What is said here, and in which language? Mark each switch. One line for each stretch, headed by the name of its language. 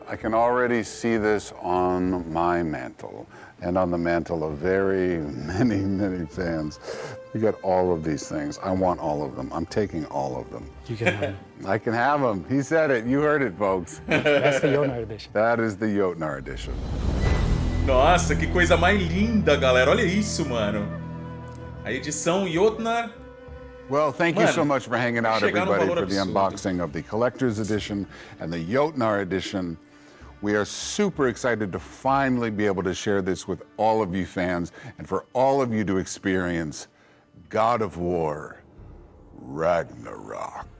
English: I can already see this on my mantle and on the mantle of very many, many fans. You got all of these things. I want all of them. I'm taking all of them. You can have them. I can have them. He said it. You heard it, folks. That's the Jotnar edition. That is the Jotnar edition.
Portuguese: Nossa, que coisa mais linda, galera. Olha isso, mano. A edição Jotnar.
English: Well, thank you so much for hanging out, everybody, for the unboxing of the Collector's Edition and the Jotnar Edition. We are super excited to finally be able to share this with all of you fans and for all of you to experience God of War Ragnarok.